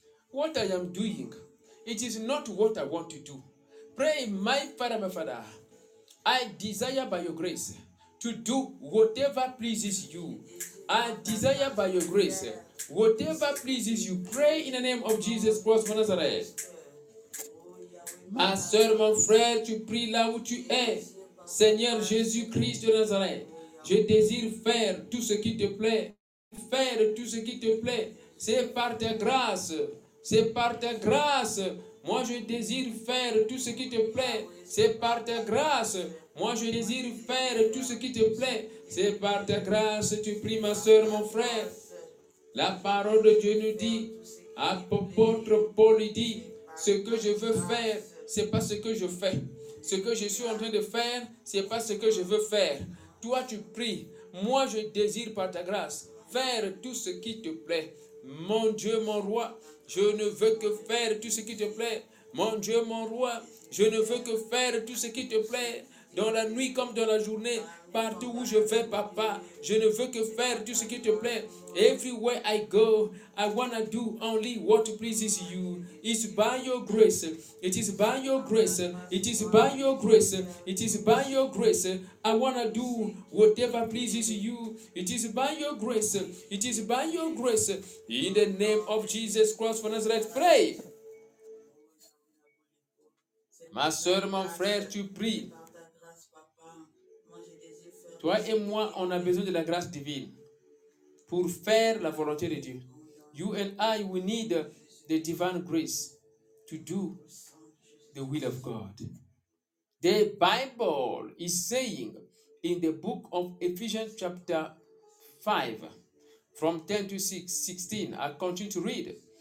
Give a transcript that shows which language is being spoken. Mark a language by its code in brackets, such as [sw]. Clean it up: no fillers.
[en] What I am doing, it is not what I want to do. Pray, my Father, I desire by your grace to do whatever pleases you. I desire by your grace, whatever pleases you. Pray in the name of Jesus Christ of Nazareth. [fr] Ma soeur, mon frère, tu pries là où tu es. Seigneur Jésus Christ de Nazareth, je désire faire tout ce qui te plaît. Faire tout ce qui te plaît. C'est par ta grâce. C'est par ta grâce. Moi, je désire faire tout ce qui te plaît. C'est par ta grâce. Moi, je désire faire tout ce qui te plaît. C'est par ta grâce. Tu pries, ma soeur, mon frère. La parole de Dieu nous dit, apôtre Paul dit, ce que je veux faire, c'est pas ce que je fais. Ce que je suis en train de faire, c'est pas ce que je veux faire. Toi, tu pries. Moi, je désire par ta grâce faire tout ce qui te plaît. Mon Dieu, mon roi, je ne veux que faire tout ce qui te plaît. Mon Dieu, mon roi, je ne veux que faire tout ce qui te plaît. Dans la nuit comme dans la journée, partout où je vais, papa, je ne veux que faire tout ce qui te plaît. [en] Everywhere I go, I wanna do only what pleases you. It's by your grace. It is by your grace. It is by your grace. It is by your grace. I wanna do whatever pleases you. It is by your grace. It is by your grace. In the name of Jesus Christ for Nazareth, pray. [fr] Ma soeur, mon frère, tu pries. Toi et moi, on a besoin de la grâce divine pour faire la volonté de Dieu. [en] You and I, we need the divine grace to do the will of God. The Bible is saying in the book of Ephesians chapter 5, from 10 to 16, I continue to read.